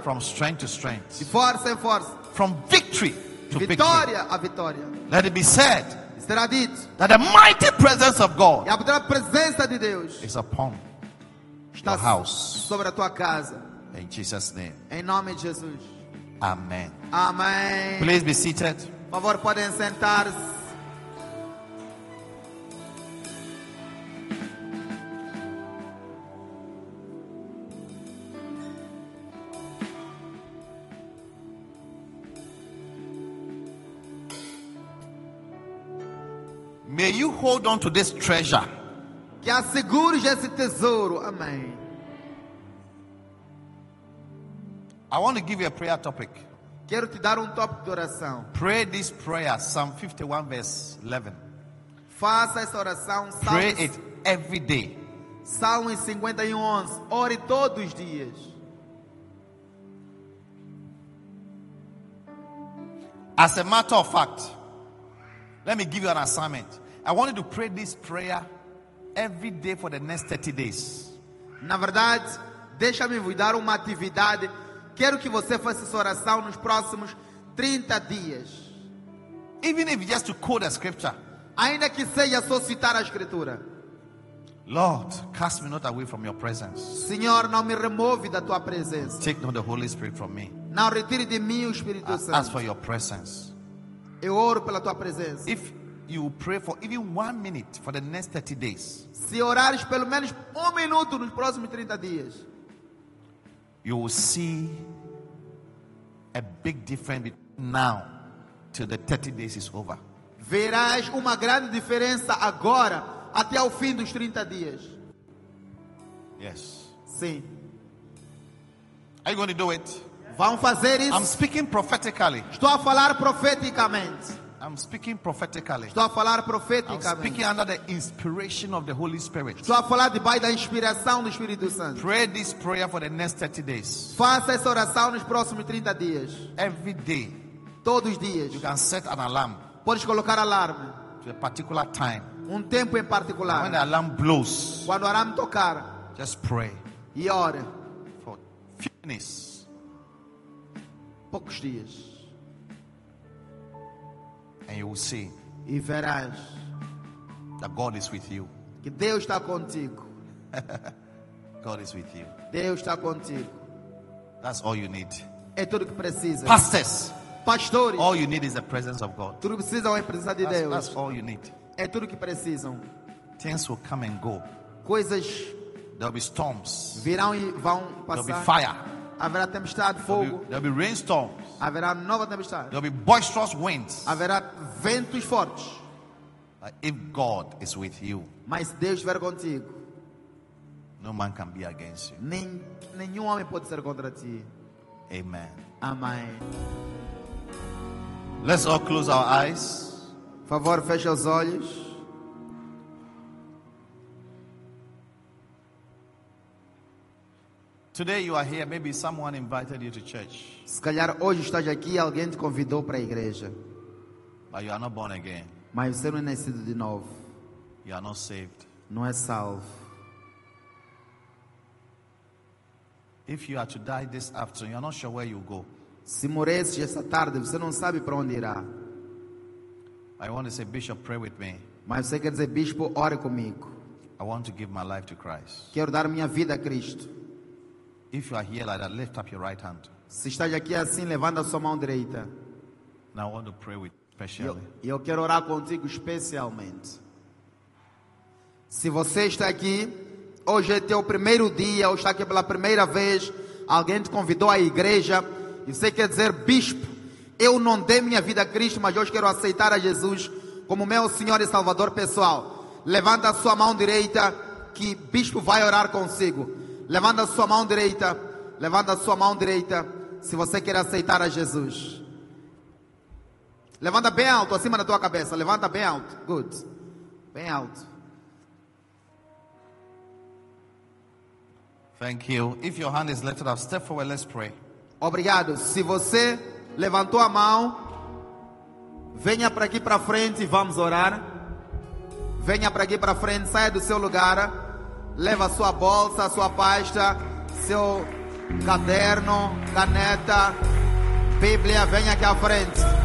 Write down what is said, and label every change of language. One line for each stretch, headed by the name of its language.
English: From strength to strength.
Portuguese: De força em força.
English: From victory to
Portuguese: vitória
English: victory.
Portuguese: A vitória.
English: Let it be said.
Portuguese: Será dito.
English: That the mighty presence of God.
Portuguese: E a poderosa presença de Deus.
English: Is upon.
Portuguese: Está
English: your house.
Portuguese: Sobre a tua casa.
English: In Jesus' name.
Portuguese: Em nome de Jesus.
English: Amen.
Portuguese: Amém.
English: Please be seated.
Portuguese: Por favor, podem sentar-se.
English: May you hold on to this treasure.
Portuguese: Que assegures esse tesouro. Amém.
English: I want to give you a prayer topic.
Portuguese: Quero te dar tópico de oração.
English: Pray this prayer, Psalm 51 verse 11.
Portuguese: Faça essa oração.
English: Pray it every day.
Portuguese: Salmo 51:11. Ore todos os dias.
English: As a matter of fact, let me give you an assignment. I want you to pray this prayer every day for the next 30 days.
Portuguese: Na verdade, deixa-me vos dar uma atividade. Quero que você faça essa oração nos próximos 30 dias.
English: Even if just to quote a scripture.
Portuguese: Ainda que seja só citar a escritura.
English: Lord, cast me not away from your presence.
Portuguese: Senhor, não me remove da tua presença.
English: Take not the Holy Spirit from me.
Portuguese: Não retire de mim o Espírito Santo.
English: Ask for your presence.
Portuguese: Eu oro pela tua presença.
English: If you pray for even 1 minute for the next 30 days.
Portuguese: Se orares pelo menos 1 minuto nos próximos 30 dias.
English: You will see a big difference between now till the 30 days is over.
Portuguese: Verás uma grande diferença agora até ao fim dos 30 dias.
English: Yes.
Portuguese: Sim.
English: Are you going to do it?
Portuguese: Vamos fazer isso.
English: I'm speaking prophetically.
Portuguese: Estou a falar profeticamente.
English: I'm speaking prophetically.
Portuguese: Estou a falar profeticamente.
English: I'm speaking under the inspiration of the Holy Spirit.
Portuguese: Estou a falar debaixo da inspiração do Espírito Santo.
English: Pray this prayer for the next 30 days.
Portuguese: Faça essa oração nos próximos 30 dias.
English: Every day.
Portuguese: Todos os dias.
English: You can set an alarm.
Portuguese: Podes colocar alarme.
English: To a particular time.
Portuguese: Tempo em particular.
English: And when the alarm blows.
Portuguese: Quando o alarme tocar.
English: Just pray.
Portuguese: E ore.
English: For fitness.
Portuguese: Poucos dias.
English: And you will see.
Portuguese: E verás.
English: That God is with you.
Portuguese: Que Deus está contigo.
English: God is with you.
Portuguese: Deus está contigo.
English: That's all you need.
Portuguese: É tudo que precisa.
English: Pastors.
Portuguese: Pastores.
English: All you need is the presence of God.
Portuguese: Tudo precisa é a presença de Deus.
English: That's all you need.
Portuguese: É tudo que precisam.
English: Things will come and go.
Portuguese: Coisas.
English: There'll be storms.
Portuguese: Virão e vão passar.
English: There'll be fire.
Portuguese: Haverá tempestade, fogo.
English: There'll be rainstorms.
Portuguese: Haverá nova tempestade.
English: There'll be boisterous winds.
Portuguese: Haverá ventos fortes.
English: If God is with you.
Portuguese: Mas se Deus estiver contigo.
English: No man can be against you.
Portuguese: Nenhum homem pode ser contra ti.
English: Amen.
Portuguese: Amém.
English: Let's all close our eyes.
Portuguese: Por favor, feche os olhos.
English: Today you are here. Maybe someone invited you to church.
Portuguese: Se calhar hoje estás aqui, alguém te convidou para a igreja.
English: But you are not born again.
Portuguese: Mas você não é nascido de novo.
English: You are not saved.
Portuguese: Não é salvo.
English: If you are to die this afternoon, you are not sure where you go.
Portuguese: Se morresse esta tarde, você não sabe para onde irá.
English: I want to say, Bishop, pray with me.
Portuguese: Mas você quer dizer, Bispo, ore comigo.
English: I want to give my life to Christ.
Portuguese: Quero dar minha vida a Cristo.
English: If you are here like that, lift up your right hand.
Portuguese: Se está aqui assim, levanta a sua mão direita.
English: Now I want to pray with especially.
Portuguese: Eu quero orar contigo especialmente. Se você está aqui, hoje é teu primeiro dia, ou está aqui pela primeira vez, alguém te convidou à igreja, e você quer dizer, Bispo, eu não dei minha vida a Cristo, mas hoje quero aceitar a Jesus como meu Senhor e Salvador pessoal. Levanta a sua mão direita, que Bispo vai orar consigo. Levanta a sua mão direita. Levanta a sua mão direita. Se você quer aceitar a Jesus. Levanta bem alto, acima da tua cabeça. Levanta bem alto. Good. Bem alto.
English: Thank you. If your hand is lifted up, step forward, let's pray.
Portuguese: Obrigado. Se você levantou a mão, venha para aqui para frente e vamos orar. Venha para aqui para frente, saia do seu lugar. Leva sua bolsa, sua pasta, seu caderno, caneta, Bíblia, venha aqui à frente.